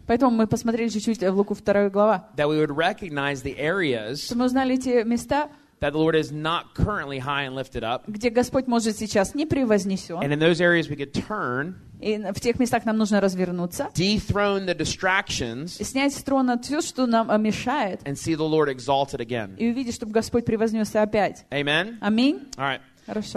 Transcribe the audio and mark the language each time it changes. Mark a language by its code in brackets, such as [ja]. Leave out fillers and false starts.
[ru] Поэтому мы посмотрели чуть-чуть в Луку 2 глава. [en] That we would recognize the areas. [ru] Чтобы мы узнали те места. [en] That the Lord is not currently high and lifted up. [ru] Где Господь может сейчас не превознесён. [en] And in those areas we could turn. [ru] И в тех местах нам нужно развернуться. [en] Dethrone the distractions. [ru] Снять с трона всё, что нам мешает. [en] And see the Lord exalted again. [ru] И увидеть, чтобы Господь превознёсся опять. [en] Amen. [ru] Аминь. [en] All right. [ru] Хорошо.